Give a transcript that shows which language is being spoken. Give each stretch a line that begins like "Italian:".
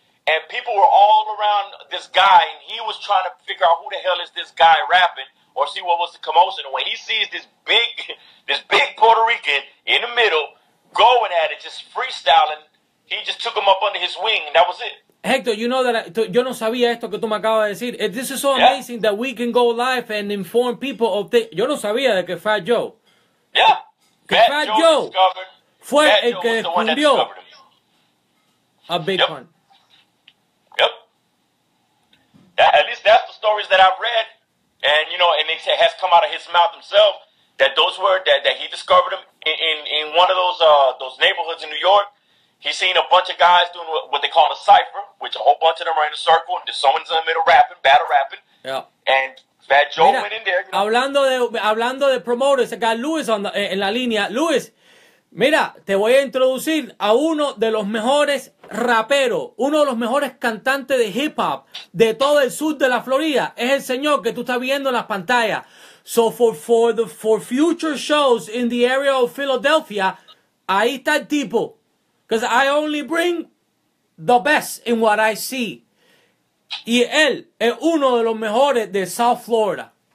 English: And people were all around this guy. And he was trying to figure out who the hell is this guy rapping or see what was the commotion. And when he sees this big Puerto Rican in the middle going at it, just freestyling, he just took him up under his wing. And that was it.
Spanish: Hector,
English: you know that
Spanish: yo no sabía esto que tú me acabas de decir.
English: This is so amazing that we can go live and inform people of things.
Spanish: Yo no sabía de que Fat Joe.
English: Yeah.
Spanish: Que Fat Joe fue Fat el Joe que descubrió a Big Pun.
English: Yep. That, at least that's the stories that I've read. And, you know, and it has come out of his mouth himself that those were, that he discovered them in one of those neighborhoods in New York. He's seen a bunch of guys doing what they call a cypher, which a whole bunch of them are in a circle, and there's someone in the middle rapping, battle rapping. Yeah. And Fat Joe went in there. You know?
Spanish: Hablando de promoters, acá Luis en la línea. Luis, mira, te voy a introducir a uno de los mejores raperos, uno de los mejores cantantes de hip hop de todo el sur de la Florida. Es el señor que tú estás viendo en las pantallas.
English: So for future shows in the area of Philadelphia,
Spanish: ahí está el tipo.
English: Because I only bring the best in what I see.
Spanish: Y él es uno de los mejores de South Florida.